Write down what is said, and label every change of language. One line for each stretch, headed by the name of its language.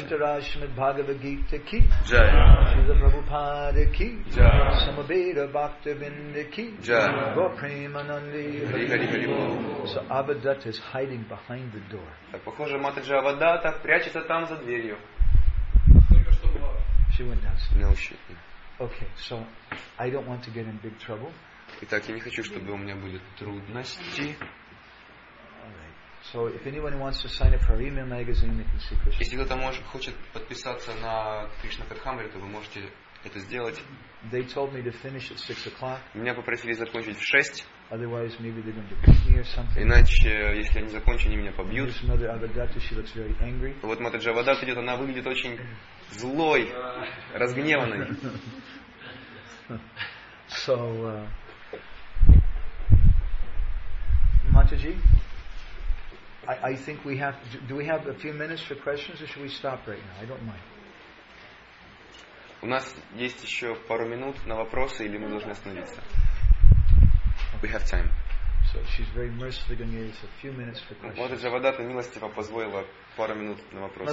Sanskrit: Дантарашмит Бхагавад-гита ки. Джай. Шрила Прабхупада ки. Джай. Самабеда Бхактивинда ки. Джай. Гопреманандри. Хари-хари-хари-бху.
English: So Абхадатта is hiding behind the door.
Russian: Так похоже, Матаджи Абхадатта прячется там за дверью. Только что была.
English: She went downstairs. No, she didn't. Okay, so I don't want to get in big trouble.
Russian: Итак, я не хочу, чтобы у меня были трудности.
English: So if anyone wants to sign up for our email magazine, they can see Krishna.
Russian: Если кто-то хочет подписаться на Кришна Катхамриту, вы можете это сделать.
English: They told me to finish at 6:00.
Russian: Меня попросили закончить в 6:00.
English: Otherwise, maybe they're going to beat me or something.
Russian: Иначе, если они закончат, они меня побьют.
English: This mother Абхадатта, she looks very angry.
Russian: Вот Матаджи Абхадатта идет, она выглядит очень злой, разгневанной.
English: So, Матаджи, I think we have to, do we have a few minutes for questions or should we stop right now? I don't mind.
Russian: У нас есть еще пару минут на вопросы, или мы должны остановиться?
English: We have time. So she's very merciful to give us a few minutes for questions.
Russian: Мать Джавадатта милостиво позволила пару минут на вопросы.